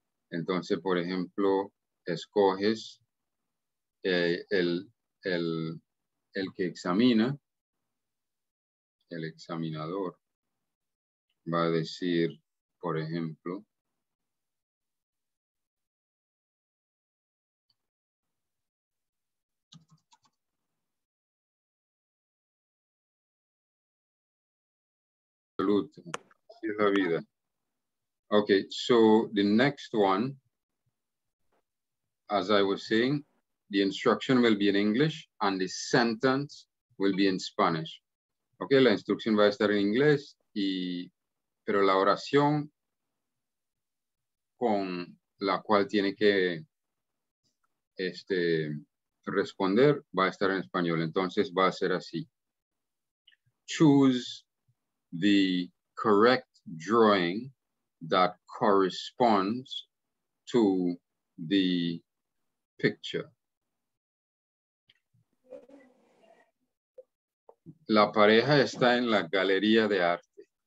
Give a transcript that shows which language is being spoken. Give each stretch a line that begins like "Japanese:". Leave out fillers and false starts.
Spanish: Entonces, por ejemplo, escoges el que examina, el examinador va a decir, por ejemplo, salud, así es la vida.
English: Okay, so the next one, as I was saying, the instruction will be in English and the sentence will be in Spanish.
Spanish: Okay, la instrucción va a estar en inglés y pero la oración con la cual tiene que responder va a estar en español. Entonces va a ser así.
English: Choose the correct drawing that corresponds to the picture.
Spanish: La pareja está en la galería de arte.